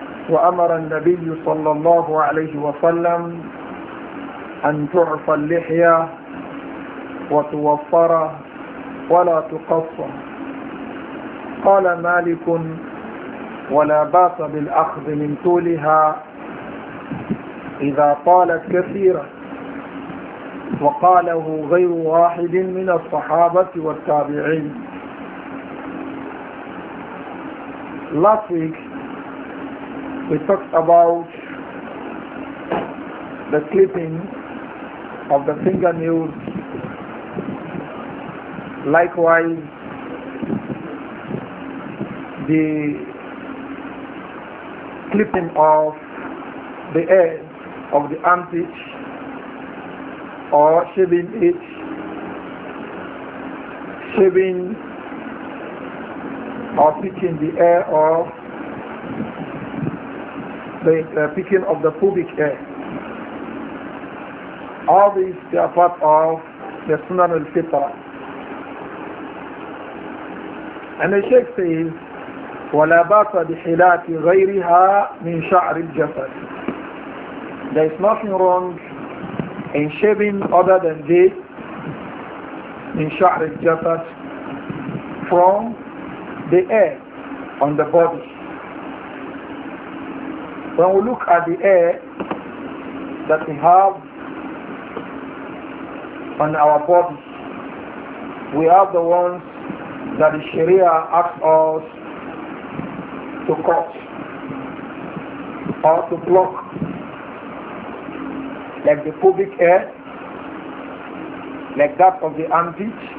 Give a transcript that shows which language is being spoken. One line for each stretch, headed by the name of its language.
Arabic: وأمر النبي صلى الله عليه وسلم أن تعفى اللحية وتوفر ولا تقص قال مالك ولا باس بالأخذ من طولها إذا طالت كثيرا وقاله غير واحد من الصحابة والتابعين.
English: Last week we talked about the clipping of the fingernails. Likewise the clipping of the hair of the armpit or shaving it, shaving or picking the hair off, the picking of the pubic hair. All these they are part of the Sunan al-Fitra. And the Shaykh says,
Arabic: وَلَا بَاسَ بِحِلَاتِ غَيْرِهَا مِنْ شَعْرِ الْجَسَدِ.
English: There is nothing wrong in shaving other than this in sha'r al-jasad from the hair on the body. When we look at the hair that we have on our body, we have the ones that the Sharia asks us to cut or to pluck, like the pubic hair, like that of the armpit.